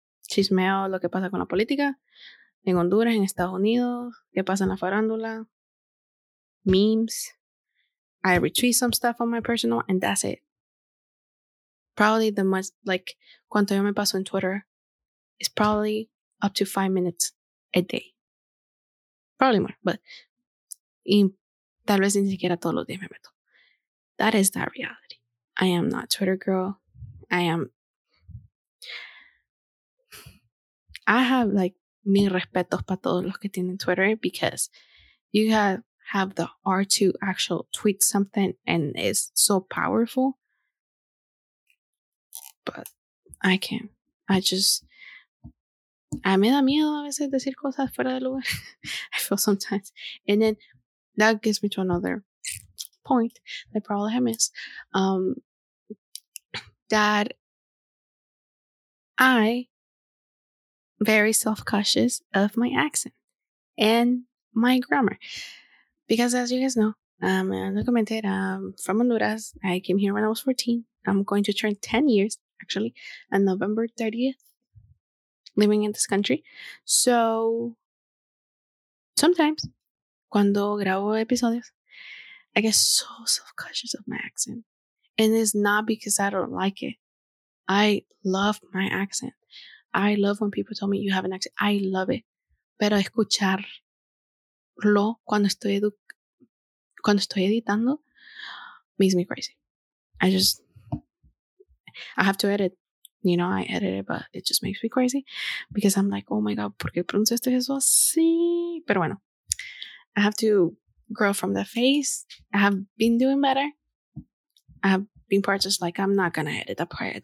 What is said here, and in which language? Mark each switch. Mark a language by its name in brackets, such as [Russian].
[Spanish] Chismeo lo que pasa con la política en Honduras, en Estados Unidos, qué pasa en la farándula, memes. [English] I retweet some stuff on my personal and that's it. Probably the most, like, [Spanish] cuanto yo me paso en Twitter [English] is probably up to 5 minutes a day. probably more, but [Spanish] tal vez ni siquiera todos los días me meto. [English] That is that reality. I am not Twitter girl. I have like [Spanish] mis respetos para todos los que tienen Twitter, [English] because you have the art to actually tweet something and it's so powerful. But I can't. [Spanish] Me da miedo a veces decir cosas fuera de lugar. [English] I feel sometimes. And then that gets me to another point that problem is that I very self-conscious of my accent and my grammar. Because as you guys know, I'm from Honduras. I came here when I was 14. I'm going to turn 10 years, actually, on November 30th, living in this country. So, sometimes, [Spanish] cuando grabo episodios, [English] I get so self-conscious of my accent. And it's not because I don't like it. I love my accent. I love when people tell me you have an accent. I love it. [Spanish] Pero escucharlo cuando estoy editando [English] makes me crazy. I have to edit. You know, I edit it, but it just makes me crazy. Because I'm like, oh my God, [Spanish] ¿por qué pronuncio eso así? Pero bueno, [English] I have to grow from the face. I have been doing better. I have been part just like, I'm not going to edit that part.